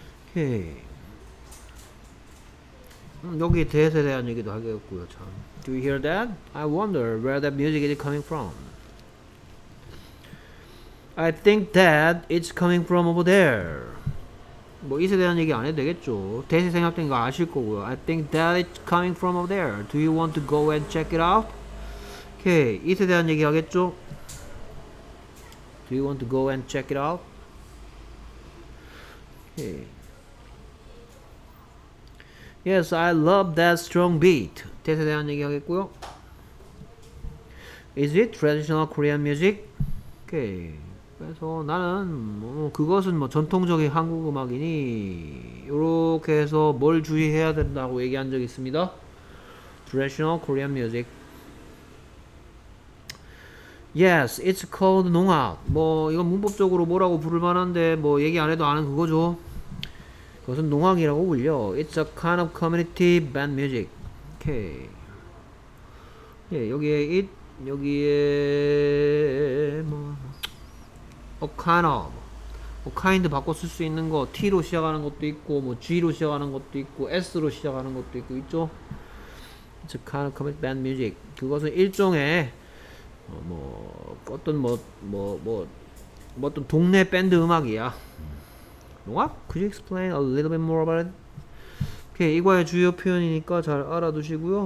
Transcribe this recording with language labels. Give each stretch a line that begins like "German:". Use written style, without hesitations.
Korean: 오케이. 여기 that에 대한 얘기도 하겠고요. 참.
English: Do you hear that? I wonder where that music is coming from. I think that it's coming from over there.
Korean: 뭐 이에 대한 얘기 안 해도 되겠죠. 대세 생각된 거 아실 거고요.
English: I think that it's coming from over there. Do you want to go and check it out?
Korean: Okay, 이에 대한 얘기 하겠죠.
English: Do you want to go and check it out? Okay. Yes, I love that strong beat.
Korean: 뜻에 대한 얘기 하겠고요.
English: Is it traditional Korean music? Okay.
Korean: 그래서 나는 뭐 그것은 뭐 전통적인 한국 음악이니 이렇게 해서 뭘 주의해야 된다고 얘기한 적이 있습니다.
English: Traditional Korean music. Yes, it's called 농악.
Korean: 뭐 이건 문법적으로 뭐라고 부를 만한데 뭐 얘기 안 해도 아는 그거죠. 그것은 농악이라고 불려.
English: It's a kind of community band music. Okay.
Korean: 예, 여기에 it, 여기에 뭐
English: a kind of,
Korean: kind 바꿔 쓸 수 있는 거 t로 시작하는 것도 있고 뭐 g로 시작하는 것도 있고 s로 시작하는 것도 있고 있죠.
English: It's a kind of community band music.
Korean: 그것은 일종의 뭐 어떤 뭐 어떤 동네 밴드 음악이야. 농악?
English: Could you explain a little bit more about it?
Korean: 오케이, 이 과의 주요 표현이니까 잘 알아두시고요.